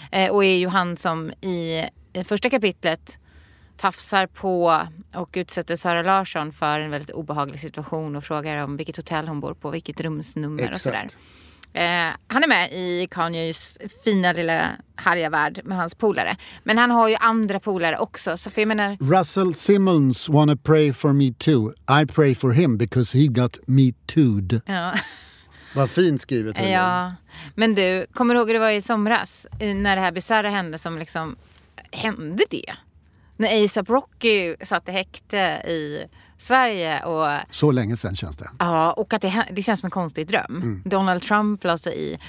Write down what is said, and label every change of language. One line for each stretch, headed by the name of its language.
Swedish: Och är ju han som i första kapitlet tafsar på och utsätter Sara Larsson för en väldigt obehaglig situation och frågar om vilket hotell hon bor på, vilket rumsnummer. Exakt. Och sådär. Han är med i Kanyes fina lilla härliga värld med hans polare. Men han har ju andra polare också. Så för jag menar...
English: Russell Simmons wanna pray for me too. I pray for him because he got me too'd.
Swedish: Ja. Vad fint skrivet. Ja. Men du, kommer du ihåg hur det var i somras när det här bisarra hände som liksom hände det? När A$AP Rocky satt i häkte i Sverige och... Så länge sedan känns det. Ja, och att det känns som en konstig dröm. Mm. Donald Trump la sig i.